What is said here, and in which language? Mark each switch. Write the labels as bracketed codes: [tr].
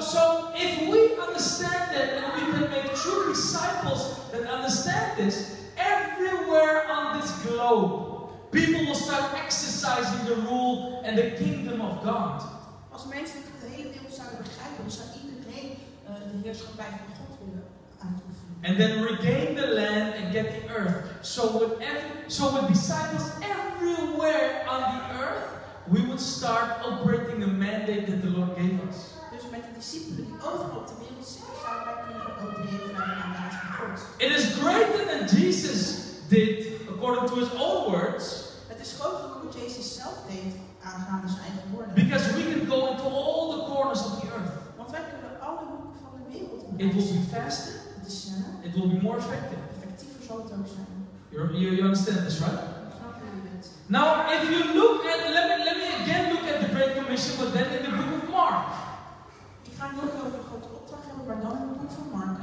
[en] So if we understand that and we can make true disciples that understand this, everywhere on this globe, people will start exercising the rule and the kingdom of God. [nl] Als mensen het de hele wereld zouden begrijpen, zou iedereen de heerschappij van God willen uitoefenen. [en] And then regain the land and get the earth. So with disciples everywhere on the earth, we would start operating the mandate that the Lord gave us. [nl] Dus met de discipelen die overal op de wereld zitten, zouden wij kunnen opereren naar de mandaat van God. [en] It is greater than Jesus did. According to his own words. [nl] Het is groter dan wat Jezus zelf deed aangaande zijn eigen woorden. [en] Because we can go into all the corners of the earth. [nl] Want wij kunnen alle hoeken van de wereld. [en] It will be faster. [nl] Het is sneller. [en] It will be more effective. [nl] Effectiever zal het ook zijn. [en] You understand this, right? Now, if you look at, let me again look at the Great Commission, but then in the book of Mark. [nl] Ik ga nog over de grote opdracht hebben, maar dan in het boek van Mark.